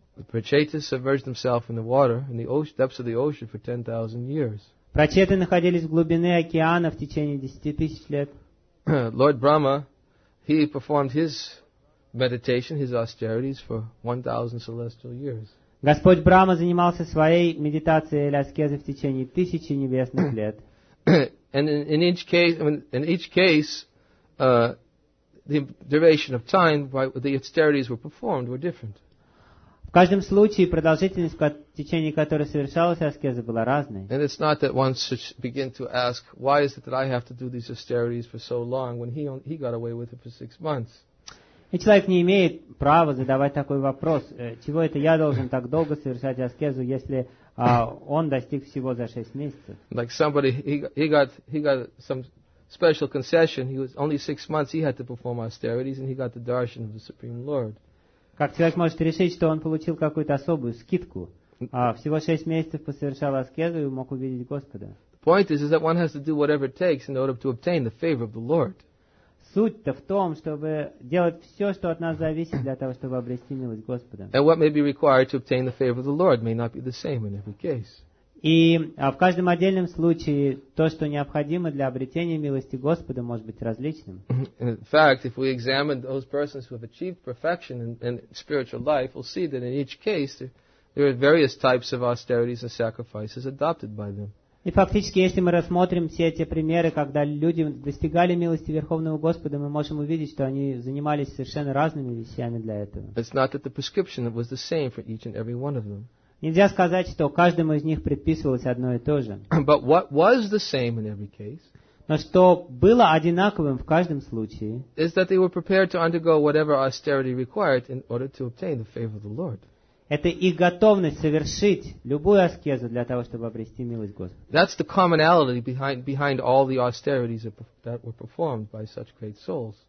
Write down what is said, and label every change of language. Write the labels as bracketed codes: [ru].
[en] The Prachetas submerged themselves in the water in the depths of the ocean for 10,000 years. [ru] Прачеты находились в глубине океана в течение 10 тысяч лет. [en] Lord Brahma, he performed his meditation, his austerities for 1,000 celestial years. [ru] Господь Брама занимался своей медитацией или аскезой в течение 1000 небесных лет. [en] And in each case, the duration of time by the austerities were performed were different. [ru] В каждом случае продолжительность, в течение которой совершалась аскеза, была разной. [en] And it's not that one should begin to ask, why is it that I have to do these austerities for so long when he got away with it for 6 months? [ru] И человек не имеет права задавать такой вопрос, чего это я должен так долго совершать аскезу, если он достиг всего за 6 месяцев? [en] Like somebody, he got some special concession. He was only 6 months. He had to perform austerities, and he got the darshan of the Supreme Lord. [ru] Как человек может решить, что он получил какую-то особую скидку? Всего 6 месяцев посовершал аскезу и мог увидеть Господа. [en] The point is that one has to do whatever it takes in order to obtain the favor of the Lord. [ru] Суть-то в том, чтобы делать все, что от нас зависит, для того, чтобы обрести милость Господа. [en] And what may be required to obtain the favor of the Lord may not be the same in every case. [ru] И в каждом отдельном случае то, что необходимо для обретения милости Господа, может быть различным. [en] In fact, if we examine those persons who have achieved perfection in spiritual life, we'll see that in each case there are various types of austerities and sacrifices adopted by them. [ru] И фактически, если мы рассмотрим все эти примеры, когда люди достигали милости Верховного Господа, мы можем увидеть, что они занимались совершенно разными вещами для этого. [en] It's not that the prescription was the same for each and every one of them. [ru] Нельзя сказать, что каждому из них предписывалось одно и то же. [en] But what was the same in every case? [ru] Но что было одинаковым в каждом случае? [en] Is that they were prepared to undergo whatever austerity required in order to obtain the favor of the Lord. [ru] Это их готовность совершить любую аскезу для того, чтобы обрести милость Господа. [en] That's the commonality behind all the austerities that were performed by such great souls.